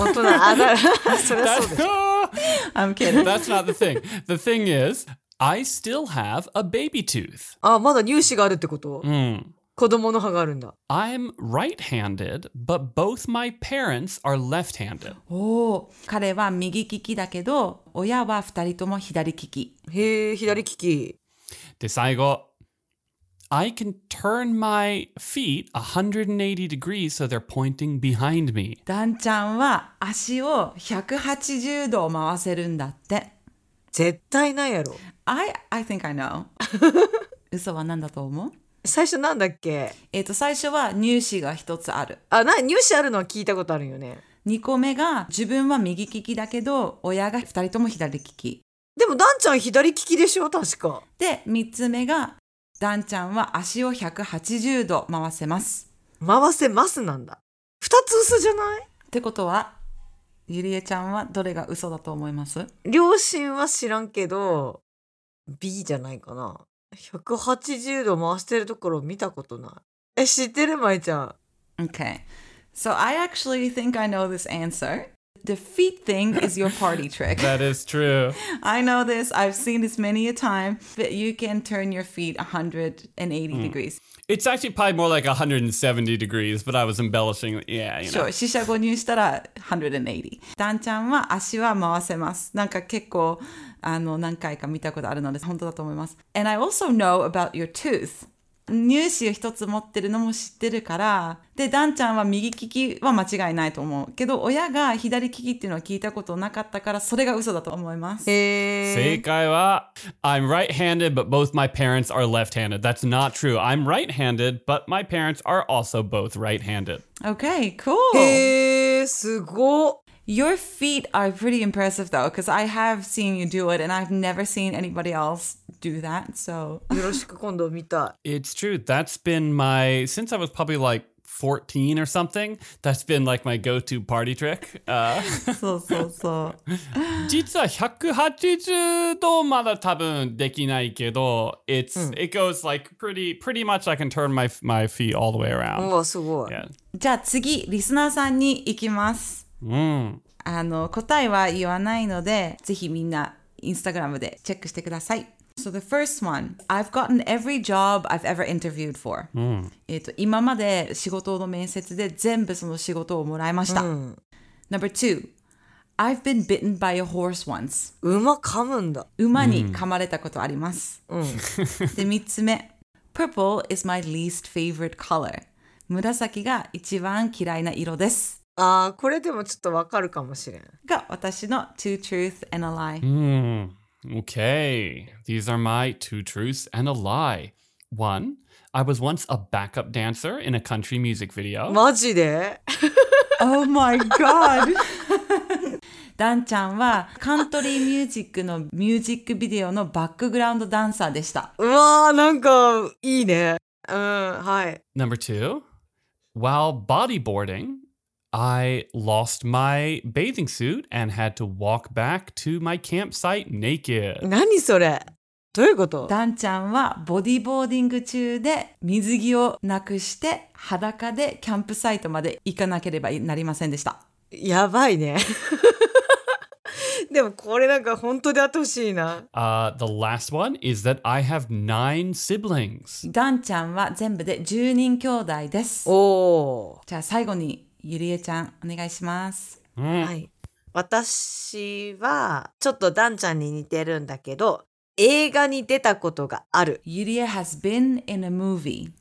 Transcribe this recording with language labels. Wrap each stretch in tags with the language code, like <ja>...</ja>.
<ja>大人、あだ、それはそうです。</ja> <en>I'm kidding. That's not the thing. The thing is... I still have a baby tooth.</en> <ja>ああ、まだ乳歯があるってこと？うん。子供の歯があるんだ。</ja> <en>I'm right-handed, but both my parents are left-handed.</en> <ja>おお、彼は右利きだけど、親は二人とも左利き。へえ、左利き。で、最後。</ja> <en>I can turn my feet 180 degrees so they're pointing behind me.</en> <ja>ダンちゃんは足を180度回せるんだって。絶対ないやろ。</ja> <en>I think I know.</en> <ja>嘘は何だと思う？最初なんだっけ？最初は乳歯が一つある。あ、な、乳歯あるのは聞いたことあるよね。二個目が自分は右利きだけど親が二人とも左利き。でもダンちゃん左利きでしょ確か。で三つ目がダンちゃんは足を180度回せます。回せますなんだ。二つ嘘じゃない？ってことはゆりえちゃんはどれが嘘だと思います？両親は知らんけど。B じゃないかな。 180度回してるところ見たことない。え、知ってる？まいちゃん。</ja> <en>Okay. So I actually think I know this answer. The feet thing is your party trick. That is true. I know this. I've seen this many a time. But you can turn your feet 180 degrees. It's actually probably more like 170 degrees, but I was embellishing. Yeah, you know. Sure.</en> <ja>四捨五入したら180。ダンちゃんは足は回せます。なんか結構あの何回か見たことあるので本当だと思います。</ja> <en>And I also know about your tooth.</en> <ja>乳歯を一つ持ってるのも知ってるから。で、ダンちゃんは右利きは間違いないと思う。けど親が左利きっていうのは聞いたことなかったからそれが嘘だと思います。正解は</ja> <en>I'm right-handed, but both my parents are left-handed. That's not true. I'm right-handed, but my parents are also both right-handed. Okay, cool.</en> <ja>へー、すごっ。</ja> <en>Your feet are pretty impressive, though, because I have seen you do it, and I've never seen anybody else do that, so...</en> <ja>よろしく今度見た。</ja> <en>It's true. That's been my... Since I was probably, like, 14 or something, that's been, like, my go-to party trick.</en> <ja>そうそうそう。実は180度まだ多分できないけど、</ja> <en>it's, it goes, like, pretty much I can turn my feet all the way around.</en> <ja>おー、すごい。</ja> <en>Yeah.</en> <ja>じゃあ次、リスナーさんに行きます。あの、答えは言わないので、ぜひみんなインスタグラムでチェックしてください。</ja> <en>So the first one, I've gotten every job I've ever interviewed for.</en> <ja>今まで仕事の面接で全部その仕事をもらいました。</ja> <en>Number two, I've been bitten by a horse once.</en> <ja>馬噛むんだ。馬に噛まれたことあります。で、三つ目、</ja> <en>Purple is my least favorite color.</en> <ja>紫が一番嫌いな色です。あー、これでもちょっとわかるかもしれん。が、私の</ja> <en>two truths and a lie. Okay. These are my two truths and a lie. One, I was once a backup dancer in a country music video.</en> <ja>マジで？</ja> <en>Oh my god!</en> <ja>ダンちゃんはカントリーミュージックのミュージックビデオのバックグラウンドダンサーでした。うわー、なんかいいね。うん、はい。</ja> <en>Number two, while bodyboarding, I lost my bathing suit and had to walk back to my campsite naked.</en> <ja>何それ?どういうこと? ダンちゃんはボディーボーディング中で水着をなくして裸でキャンプサイトまで行かなければなりませんでした。やばいね。でもこれなんか本当であってほしいな。</ja> <en>The last one is that I have 9 siblings.</en> <ja>ダンちゃんは全部で10人兄弟です。おお。じゃあ最後にゆりえちゃんお願いします。はい。私はちょっとダンちゃんに似てるんだけど、映画に出たことがある。</ja> <en>ユリエ has been in a movie.</en>